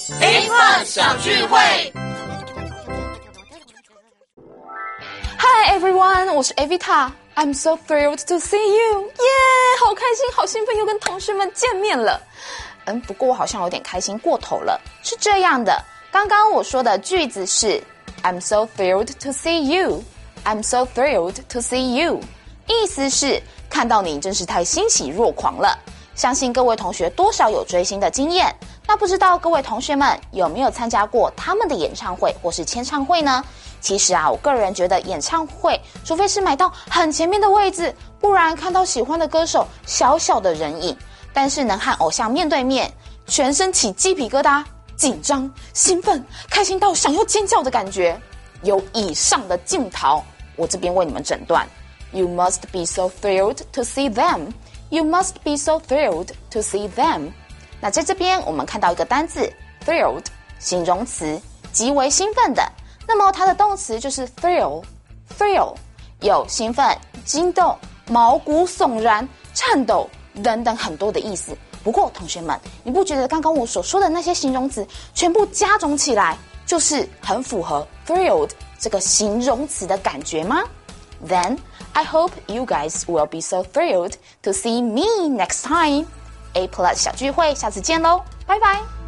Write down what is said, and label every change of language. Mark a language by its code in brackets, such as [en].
[zh] A plus 小聚会。 [en] Hi everyone, [zh] 我是 [en] Evita。 I'm so thrilled to see you. [zh] 耶、yeah, 好开心好兴奋又跟同事们见面了。嗯，不过我好像有点开心过头了。是这样的，刚刚我说的句子是 [en] I'm so thrilled to see you. I'm so thrilled to see you. [zh] 意思是看到你真是太欣喜若狂了。相信各位同学多少有追星的经验。那不知道各位同学们有没有参加过他们的演唱会或是签唱会呢？其实啊，我个人觉得演唱会除非是买到很前面的位置，不然看到喜欢的歌手小小的人影，但是能和偶像面对面，全身起鸡皮疙瘩，紧张兴奋开心到想要尖叫的感觉，有以上的镜头我这边为你们诊断。 [en] You must be so thrilled to see them. You must be so thrilled to see them. [zh] 那在这边我们看到一个单字 thrilled， 形容词，极为兴奋的。那么它的动词就是 thrill， 有兴奋、惊动、毛骨悚然、颤抖等等很多的意思。不过同学们，你不觉得刚刚我所说的那些形容词全部加总起来就是很符合 thrilled 这个形容词的感觉吗？ [en] Then I hope you guys will be so thrilled to see me next time. [zh] A Plus 小聚会下次见咯，拜拜。